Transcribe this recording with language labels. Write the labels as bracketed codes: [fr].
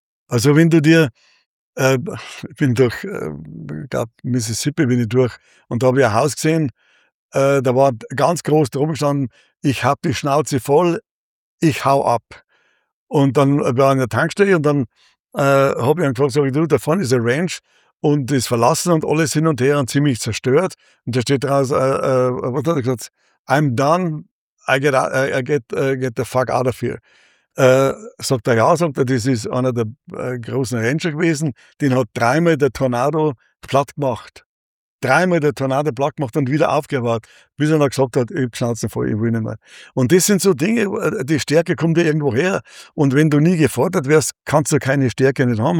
[de] Also wenn du dir ich bin durch, ich glaube, Mississippi bin ich durch und da habe ich ein Haus gesehen, da war ganz groß drum gestanden, ich habe die Schnauze voll, ich hau ab. Und dann war ich an der Tankstelle und dann habe ich einen gefragt, sag ich, du, da vorne ist ein Ranch und ist verlassen und alles hin und her und ziemlich zerstört. Und da steht draus, was hat er gesagt? [en] I'm done, I get the fuck out of here. [de] Sagt er, das ist einer der großen Rancher gewesen, den hat dreimal der Tornado platt gemacht. Dreimal der Tornado platt gemacht und wieder aufgebaut, bis er dann gesagt hat, ich schnauze voll, ich will nicht mehr. Und das sind so Dinge, die Stärke kommt dir irgendwo her. Und wenn du nie gefordert wirst, kannst du keine Stärke nicht haben.